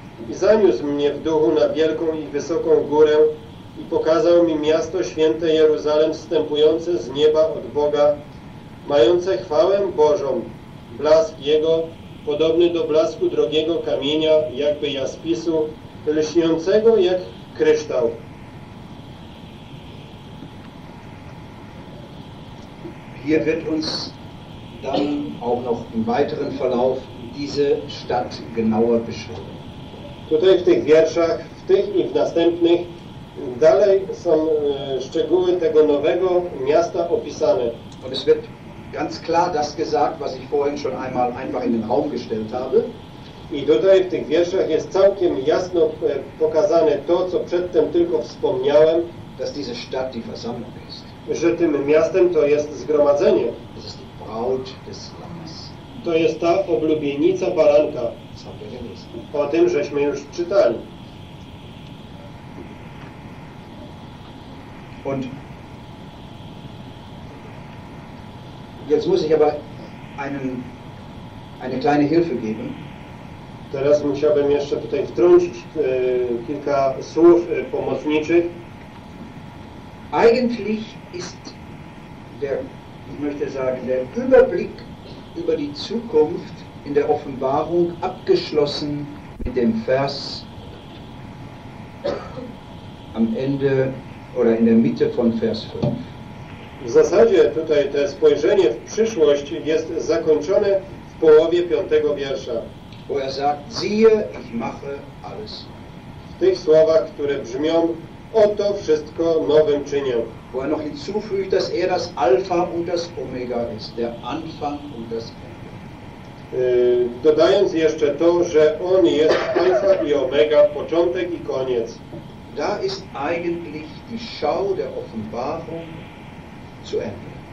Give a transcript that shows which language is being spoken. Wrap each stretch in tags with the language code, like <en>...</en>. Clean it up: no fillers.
<pl>I zaniósł mnie w duchu na wielką i wysoką górę i pokazał mi miasto święte Jeruzalem, wstępujące z nieba od Boga, mające chwałę Bożą, blask Jego podobny do blasku drogiego kamienia, jakby jaspisu, lśniącego jak kryształ.</pl> <de>Hier wird uns dann auch noch im weiteren Verlauf diese Stadt genauer beschrieben.</de> <pl>Tutaj w tych wierszach, w tych i w następnych, dalej są szczegóły tego nowego miasta opisane.</pl> <de>Und es wird ganz klar das gesagt, was ich vorhin schon einmal einfach in den Raum gestellt habe.</de> <pl>I tutaj w tych wierszach jest całkiem jasno pokazane to, co przedtem tylko wspomniałem,</pl> <de>dass diese Stadt die Versammlung ist.</de> <pl>Że tym miastem to jest zgromadzenie.</pl> <de>Das ist die Braut des Lammes.</de> <pl>To jest ta oblubienica baranka. O tym żeśmy już czytali.</pl> <de>Und jetzt muss ich aber eine kleine Hilfe geben.</de> <pl>Teraz musiałbym jeszcze tutaj wtrącić kilka słów pomocniczych.</pl> <de>Eigentlich ist der, ich möchte sagen, der Überblick über die Zukunft in der Offenbarung abgeschlossen mit dem Vers am Ende oder in der Mitte von Vers 5.</de> <pl>W zasadzie tutaj to spojrzenie w przyszłość jest zakończone w połowie piątego wiersza.</pl> <de>Wo er sagt, siehe, ich mache alles.</de> <pl>W tych słowach, które brzmią, oto wszystko nowym czynię.</pl> <de>Wo er noch hinzufügt, dass er das Alpha und das Omega ist, der Anfang und das Ende.</de> <pl>Dodając jeszcze to, że on jest Alpha i Omega, początek i koniec.</pl> <de>Da ist eigentlich die Schau der Offenbarung zu Ende.</de>